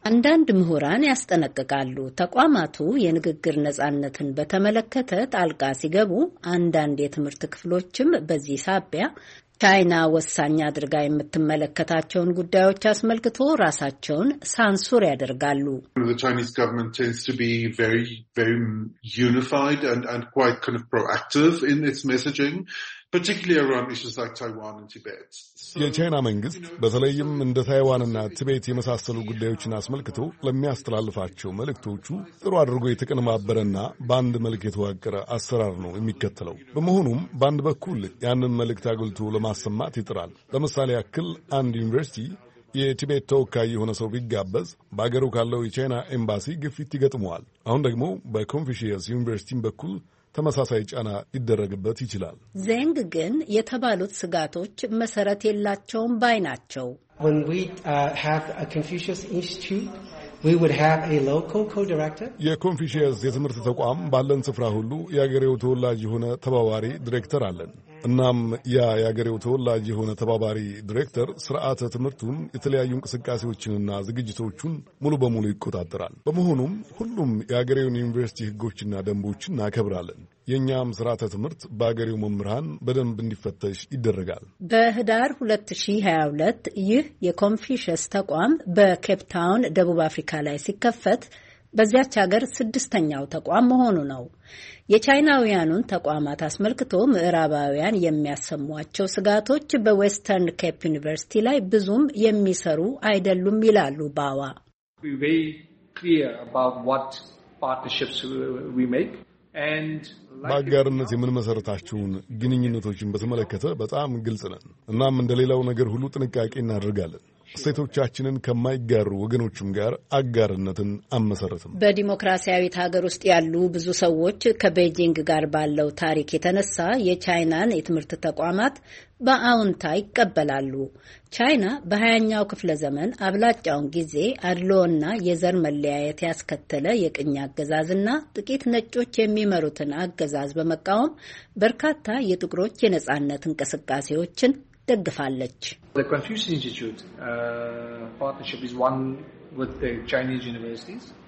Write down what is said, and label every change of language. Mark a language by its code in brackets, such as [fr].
[am] አንዳንድ ምሁራን ያስጠነቅቃሉ ተቋማቱ የንግግር ነጻነትን በተመለከተ ጣልቃ ሲገቡ፣ አንዳንድ የትምህርት ክፍሎችም በዚህ ሳቢያ ቻይና ወሳኝ አድርጋ የምትመለከታቸውን ጉዳዮች አስመልክቶ ራሳቸውን ሳንሱር ያደርጋሉ። [en] The Chinese government tends to be very very unified and quite kind of proactive in its messaging. Particularly around issues like Taiwan and Tibet. [am] የቻይና መንግስት በተለይም እንደ ታይዋንና ትቤት የመሳሰሉ ጉዳዮችን አስመልክቶ ለሚያስተላልፋቸው መልእክቶቹ ጥሩ አድርጎ የተቀነባበረና በአንድ መልክ የተዋቀረ አሰራር ነው የሚከተለው። በመሆኑም በአንድ በኩል ያንን መልእክት አግልቶ ለማሰማት ይጥራል። ለምሳሌ ያክል አንድ ዩኒቨርሲቲ የቲቤት ተወካይ የሆነ ሰው ቢጋበዝ በአገሩ ካለው የቻይና ኤምባሲ ግፊት ይገጥመዋል። አሁን ደግሞ በኮንፊሽየስ ዩኒቨርሲቲም በኩል ተመሳሳይ ጫና ሊደረግበት ይችላል። ዘንግ ግን የተባሉት ስጋቶች መሰረት የላቸውም ባይ ናቸው። [en] When we have a Confucius Institute, we would have a local co-director. [am] የኮንፊሽየስ የትምህርት ተቋም ባለን ስፍራ ሁሉ የአገሬው ተወላጅ የሆነ ተባባሪ ዲሬክተር አለን። እናም ያ የአገሬው ተወላጅ የሆነ ተባባሪ ዲሬክተር ስርዓተ ትምህርቱን፣ የተለያዩ እንቅስቃሴዎችንና ዝግጅቶቹን ሙሉ በሙሉ ይቆጣጠራል። በመሆኑም ሁሉም የአገሬውን ዩኒቨርሲቲ ህጎችና ደንቦችን እናከብራለን። የኛም ስርዓተ ትምህርት በአገሬው መምህራን በደንብ እንዲፈተሽ ይደረጋል። በህዳር 2022 ይህ የኮንፊሽየስ ተቋም በኬፕ ታውን ደቡብ አፍሪካ ላይ ሲከፈት በዚያች ሀገር ስድስተኛው ተቋም መሆኑ ነው። የቻይናውያኑን ተቋማት አስመልክቶ ምዕራባውያን የሚያሰሟቸው ስጋቶች በዌስተርን ኬፕ ዩኒቨርሲቲ ላይ ብዙም የሚሰሩ አይደሉም ይላሉ ባዋ። [en] We are very clear about what partnerships we make and [am] ባጋርነት የምንመሰረታቸውን ግንኙነቶችን በተመለከተ በጣም ግልጽ ነን። እናም እንደሌላው ነገር ሁሉ ጥንቃቄ እናደርጋለን። ሴቶቻችንን ከማይጋሩ ወገኖችም ጋር አጋርነትን አመሰረትም። በዲሞክራሲያዊት ሀገር ውስጥ ያሉ ብዙ ሰዎች ከቤጂንግ ጋር ባለው ታሪክ የተነሳ የቻይናን የትምህርት ተቋማት በአውንታ ይቀበላሉ። ቻይና በ20ኛው ክፍለ ዘመን አብላጫውን ጊዜ አድሎና የዘር መለያየት ያስከተለ የቅኝ አገዛዝና ጥቂት ነጮች የሚመሩትን አገዛዝ በመቃወም በርካታ የጥቁሮች የነጻነት እንቅስቃሴዎችን ደግፋለች። [en] The Confucius Institute partnership is one with the Chinese universities.